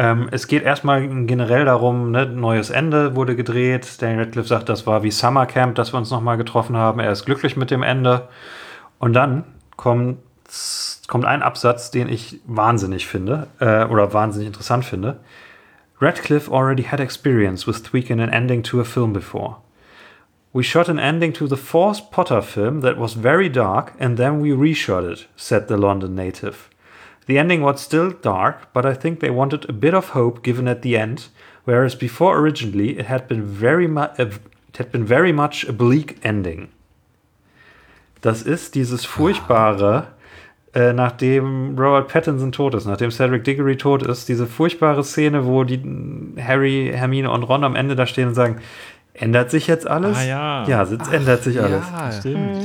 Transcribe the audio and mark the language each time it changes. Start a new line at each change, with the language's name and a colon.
German: Es geht erstmal generell darum, ne, neues Ende wurde gedreht. Daniel Radcliffe sagt, das war wie Summer Camp, dass wir uns nochmal getroffen haben. Er ist glücklich mit dem Ende. Und dann kommt ein Absatz, den ich wahnsinnig finde, oder wahnsinnig interessant finde.
English: Radcliffe already had experience with tweaking an ending to a film before. We shot an ending to the fourth Potter film that was very dark, and then we reshot it, said the London native. The ending was still dark, but I think they wanted a bit of hope given at the end, whereas before originally it had been very much a bleak ending.
German: Das ist dieses furchtbare... nachdem Robert Pattinson tot ist, nachdem Cedric Diggory tot ist, diese furchtbare Szene, wo die Harry, Hermine und Ron am Ende da stehen und sagen, ändert sich jetzt alles? Ah, ja. Ja, es ändert sich alles. Ja, stimmt.